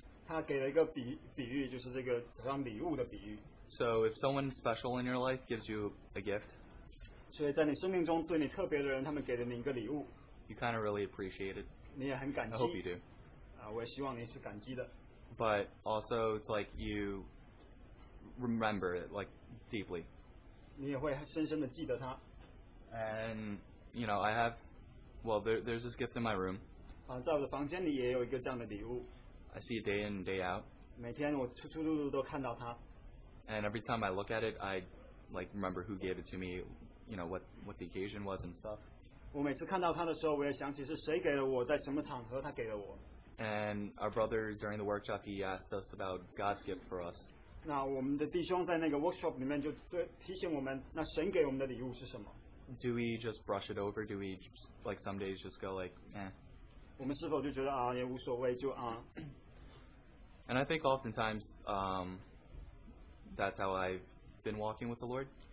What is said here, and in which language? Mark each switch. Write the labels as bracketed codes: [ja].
[zh] 他给了一个比喻，就是这个像礼物的比喻。So [en] if someone special in your life gives you a gift. [zh] 所以在你生命中对你特别的人，他们给了你一个礼物。 [en] You kind of really appreciate it. [zh] 你也很感激。 [en] I hope you do. [zh] 我也希望你是感激的。 [en] But also, it's like you remember it like deeply. [zh] 你也会深深的记得它。 [en] And you know, I have, well, there's this gift in my room. [zh] 在我的房间里也有一个这样的礼物。 [en] I see it day in and day out. [zh] 每天我出出入入都看到它。 [en] And every time I look at it, I like remember who gave it to me, you know, what the occasion was and stuff. [zh] 我每次看到他的时候，我也想起是谁给了我，在什么场合他给了我。 [en] And our brother during the workshop, he asked us about God's gift for us. [zh] 那我们的弟兄在那个workshop里面就提醒我们，那神给我们的礼物是什么？ [en] Do we just brush it over? Do we just, like some days just go like, eh? [zh] 我们是否就觉得啊也无所谓就啊？ [en] And I think oftentimes, that's how I've been walking with the Lord.